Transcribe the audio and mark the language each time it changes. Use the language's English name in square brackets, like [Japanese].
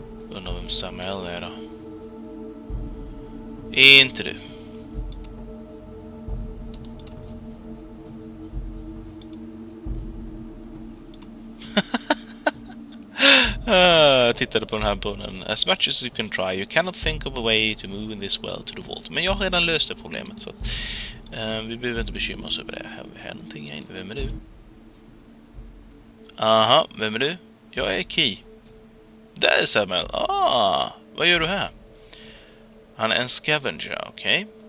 [Swedish] Undrar vem Samuel är då. Inte du. Tittade på den här brunnen. [English] As much as you can try, you cannot think of a way to move in this world to the vault. [Swedish] Men jag har redan löst det problemet, så att, vi behöver inte bekymra oss över det. Har vi här någonting? Vem är du? Aha, vem är du? Jag är Key. Där är Samuel. Ah, vad gör du här? Han är en scavenger, okej. Okay.